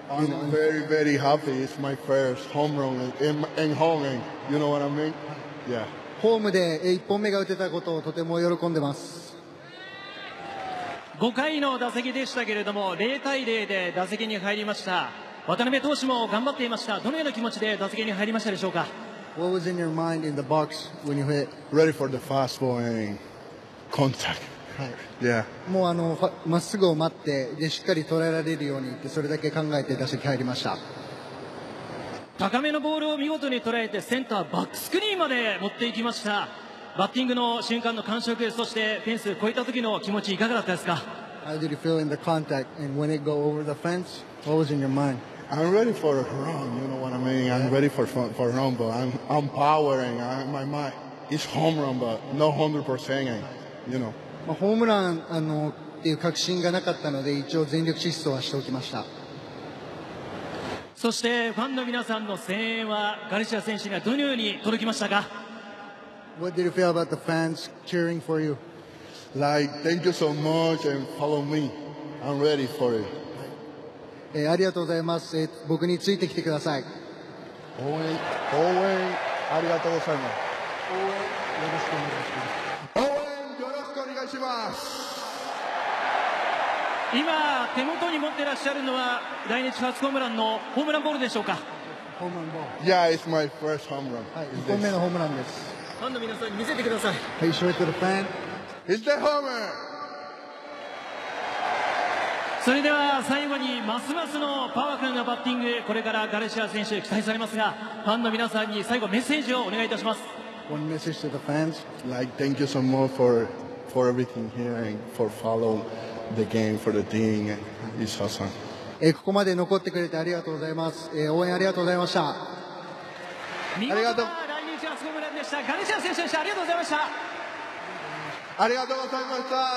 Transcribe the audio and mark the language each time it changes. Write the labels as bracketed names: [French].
[English] I'm very very happy. It's my first home run in home. You know what I mean? Yeah. [Japanese] ホームで1本目が打てたことをとても喜んでます。 5回の打席でしたけれども、0対0で打席に入りました。渡辺投手も頑張っていました。どのような気持ちで打席に入りましたでしょうか？ [English] What was in your mind in the box when you hit? Ready for the fastball and contact. [Japanese] はい、 [English] yeah. [Japanese] もうまっすぐを待ってでしっかり捉えられるようにってそれだけ考えて打席入りました。高めのボールを見事に捉えてセンターバックスクリーンまで持っていきました。バッティングの瞬間の感触、そしてフェンスを越えた時の気持ちいかがだったですか？ [English] How did you feel in the contact and when it go over the fence? What was in your mind? I'm ready for a run, you know what I mean? I'm ready for a run, but I'm powering. My mind is home run, but not 100%, you know. [Japanese] まあ、ホームランっていう確信がなかったので、一応全力疾走はしておきました。そしてファンの皆さんの声援はガルシア選手にはどのように届きましたか？ [English] What did you feel about the fans cheering for you? Like, thank you so much and follow me. I'm ready for it. [Japanese] ありがとうございます、僕についてきてください。応援ありがとうございます。応援よろしくお願いします。今手元に持ってらっしゃるのは来日初ホームランのホームランボールでしょうか？ホームランボール、 [English] Yeah, it's my first home run. [Japanese] 1本目のホームランです。ファンの皆さんに見せてください。 [English] Hey, show it to the fan. It's the homer。 [Japanese] それでは最後にますますのパワフルなバッティング、これからガルシア選手期待されますが、ファンの皆さんに最後メッセージをお願いいたします。 [English] One message to the fans, like thank you so much for everything here and for follow the game for the team and it's awesome. [Japanese] ここまで残ってくれてありがとうございます。応援ありがとうございました。見事な来日初ホームランでした、ガルシア選手でした。ありがとうございました。ありがとうございました。